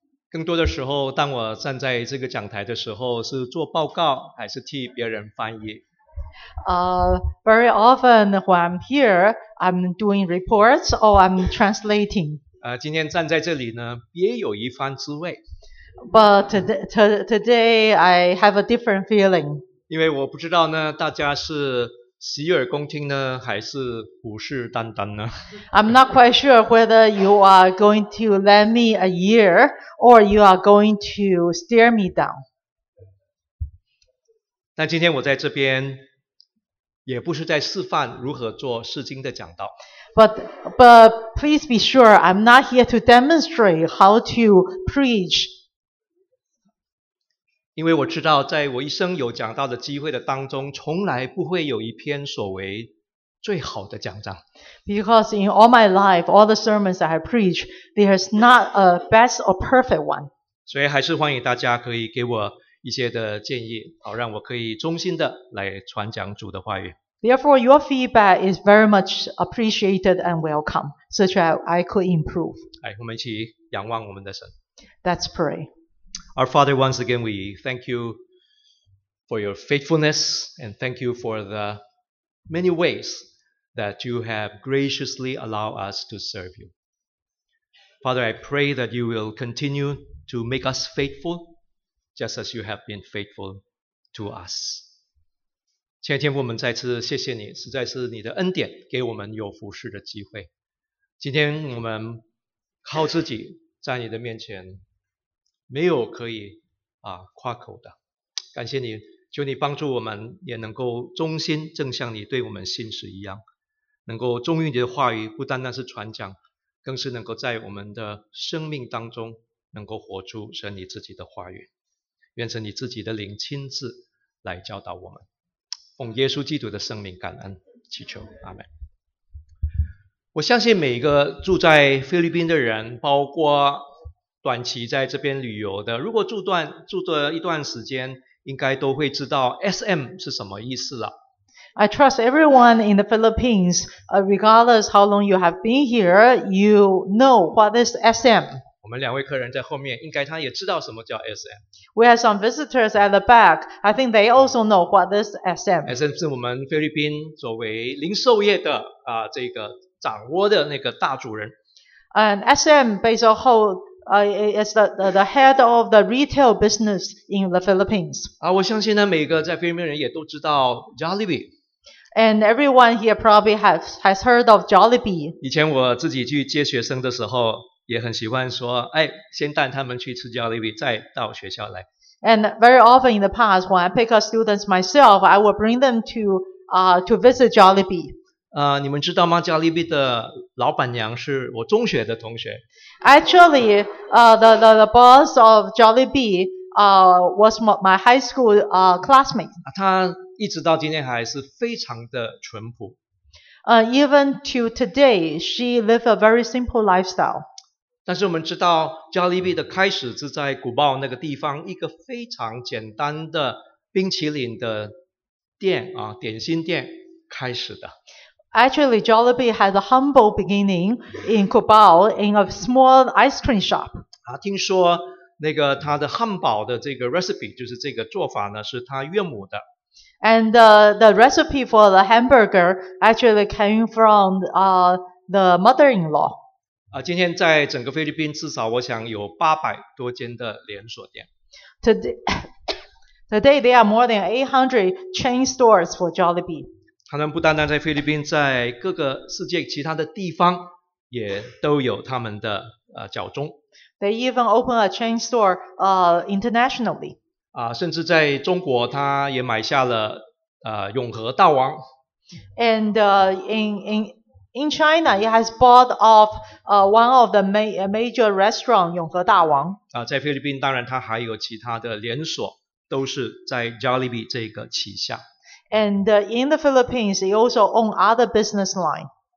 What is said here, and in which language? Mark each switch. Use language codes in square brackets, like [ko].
[zh] 更多的时候，当我站在这个讲台的时候，是做报告还是替别人翻译？ [en] Very often when I'm here, I'm doing reports or I'm translating. [zh] 今天站在这里呢，别有一番滋味。 [en] But today I have a different feeling. [zh] 因为我不知道呢，大家是洗耳恭听呢，还是虎视眈眈呢？ [en] I'm not quite sure whether you are going to lend me a ear or you are going to stare me down. [zh] 那今天我在这边也不是在示范如何做释经的讲道。 [en] But please be sure, I'm not here to demonstrate how to preach. [zh] 因为我知道在我一生有讲道的机会的当中，从来不会有一篇所谓最好的讲章。 [en] Because in all my life, all the sermons I preach, there is not a best or perfect one. [zh] 所以还是欢迎大家可以给我一些的建议，好让我可以衷心的来传讲主的话语。 [en] Therefore, your feedback is very much appreciated and welcome, so that I could improve. [zh] 来，我们一起仰望我们的神。 [en] Let's pray. Our Father, once again, we thank you for your faithfulness and thank you for the many ways that you have graciously allowed us to serve you. Father, I pray that you will continue to make us faithful, just as you have been faithful to us. [zh] 亲爱的天父，我们再次谢谢你，实在是你的恩典给我们有服事的机会。今天我们靠自己在你的面前没有可以夸口的，感谢你，求你帮助我们也能够忠心，正像你对我们心事一样，能够忠于你的话语，不单单是传讲，更是能够在我们的生命当中能够活出神你自己的话语。愿神你自己的灵亲自来教导我们，奉耶稣基督的圣名感恩祈求，阿们。我相信每一个住在菲律宾的人，包括短期在这边旅游的，如果住的一段时间，应该都会知道 SM 是什么意思了。 [en] I trust everyone in the Philippines, regardless how long you have been here, you know what is SM. [zh] 我们两位客人在后面，应该他也知道什么叫 SM。 [en] We have some visitors at the back. I think they also know what this SM. [zh] SM 是我们菲律宾作为零售业的这个掌握的那个大主人。 [en] And SM based on is the head of the retail business in the Philippines. [zh] 我相信呢，每个在菲律宾人也都知道 Jollibee。 [en] And everyone here probably has heard of Jollibee. [zh] 以前我自己去接学生的时候，也很喜欢说，先带他们去吃 Jollibee， 再到学校来。 [en] And very often in the past, when I pick up students myself, I will bring them to visit Jollibee. [zh] 你们知道吗 ？Jollibee 的老板娘是我中学的同学。 [en] Actually, the boss of Jollibee, was my high school classmate. [zh] 他一直到今天还是非常的淳朴。 [en] Even to today, she lives a very simple lifestyle. [zh] 但是我们知道 Jollibee 的开始是在古堡那个地方一个非常简单的冰淇淋的店点心店开始的。 [en] Actually, Jollibee has a humble beginning in Cubao in a small ice cream shop. [zh] 听说那个他的汉堡的这个 recipe, 就是这个做法呢是他岳母的。 [en] And the recipe for the hamburger actually came from the mother-in-law. [zh] 今天在整个菲律宾至少我想有800多间的连锁店。 [en] Today there are more than 800 chain stores for Jollibee. [zh] 他们不单单在菲律宾，在各个世界其他的地方也都有他们的脚踪。 [en] They even open a chain store internationally. [zh] 甚至在中国他也买下了永和大王。 [en] And in China, he has bought off one of the major restaurant, 永和大王。 [zh] 在菲律宾当然他还有其他的连锁都是在 Jollibee 这个旗下。 [en] And in the Philippines, he also own other business line.